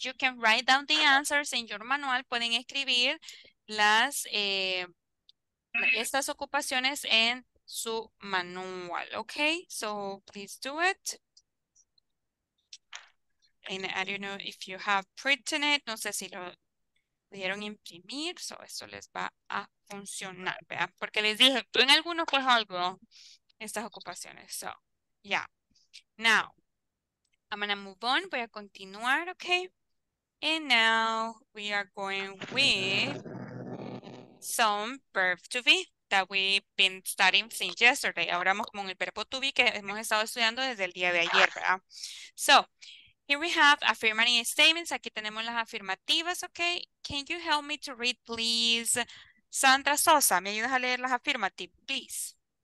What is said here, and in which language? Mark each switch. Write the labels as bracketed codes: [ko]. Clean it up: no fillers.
[en] You can write down the answers in your manual. [es] Pueden escribir las estas ocupaciones en su manual. [en] Okay, so please do it. And I don't know if you have printed it. [es] No sé si lo dieron imprimir. So esto les va a funcionar, ¿vea? Porque les dije, tú en algunos pues algo, estas ocupaciones. [en] So, yeah. Now, I'm going to move on. [es] Voy a continuar, okay? [en] And now we are going with some verb to be that we've been studying since yesterday. [es] Ahora vamos con el verbo to be que hemos estado estudiando desde el día de ayer, ¿verdad? [en] So, here we have affirmative statements. [es] Aquí tenemos las afirmativas, okay? [en] Can you help me to read, please? Sandra Sosa, [es] ¿me ayudas a leer las [en] affirmative, please?